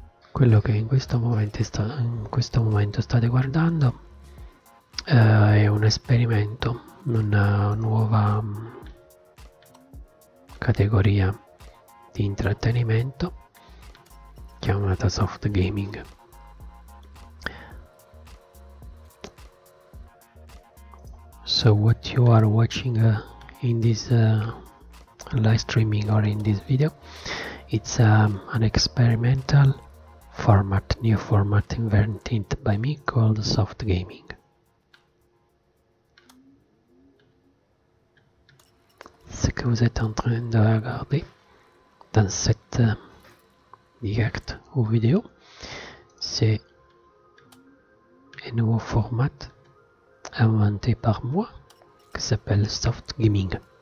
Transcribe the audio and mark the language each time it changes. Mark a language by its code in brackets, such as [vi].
[it] Quello che in questo momento state guardando è un esperimento, una nuova categoria di intrattenimento chiamata soft gaming. [en] So what you are watching in this live streaming or in this video, it's an experimental format, new format invented by me called soft gaming. [fr] Ce que vous êtes en train de regarder dans cette direct ou vidéo, c'est un nouveau format inventé par moi qui s'appelle soft gaming.